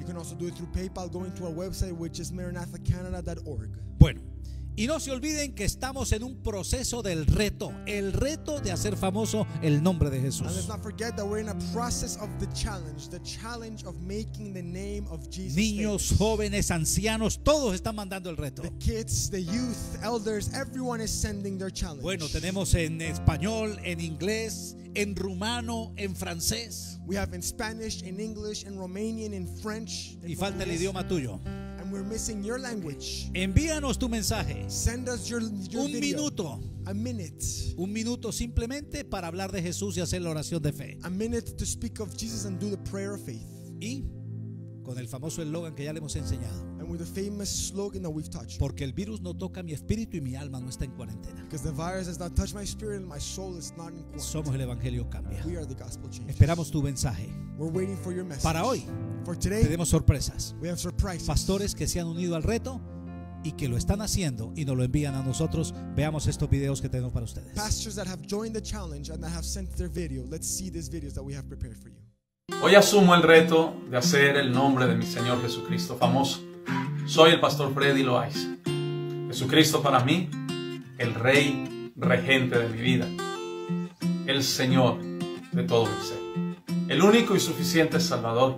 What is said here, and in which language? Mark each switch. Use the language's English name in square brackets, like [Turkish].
[English] You can also do it through PayPal going to our website which is maranatacanada.org. [Spanish] Bueno, y no se olviden que estamos en un proceso del reto, el reto de hacer famoso el nombre de Jesús. [English] And let's not forget that we're in a process of the challenge of making the name of Jesus. [Spanish] Niños, jóvenes, ancianos, todos están mandando el reto. [English] The kids, the youth, elders, everyone is sending their challenge. [Spanish] Bueno, tenemos en español, en inglés, en rumano, en francés. [English] We have in Spanish, in English, in Romanian, in French. [Spanish] Y falta el idioma tuyo. [English] We're missing your language. [Spanish] Envíanos tu mensaje. [English] Send us your [Spanish] un video. Minuto. [English] A minute. [Spanish] Un minuto simplemente para hablar de Jesús y hacer la oración de fe. [English] A minute to speak of Jesus and do the prayer of faith. [Spanish] Y con el famoso eslogan que ya le hemos enseñado. [English] And with the famous slogan that we've touched. [Spanish] Porque el virus no toca mi espíritu y mi alma no está en cuarentena. [English] Because the virus has not touched my spirit and my soul is not in quarantine. [Spanish] Somos el evangelio cambia. [English] We are the gospel changers. [Spanish] Esperamos tu mensaje. [English] We're waiting for your message. [Spanish] Para hoy. [English] For today, [Spanish] tenemos sorpresas. [English] We have surprises. [Spanish] Pastores que se han unido al reto y que lo están haciendo y nos lo envían a nosotros. Veamos estos videos que tenemos para ustedes. [English] Pastors that have joined the challenge and that have sent their video. Let's see these videos that we have prepared for you. [Spanish] Hoy asumo el reto de hacer el nombre de mi Señor Jesucristo famoso. Soy el Pastor Freddy Loaiza. Jesucristo para mí, el Rey regente de mi vida. El Señor de todo mi ser. El único y suficiente Salvador.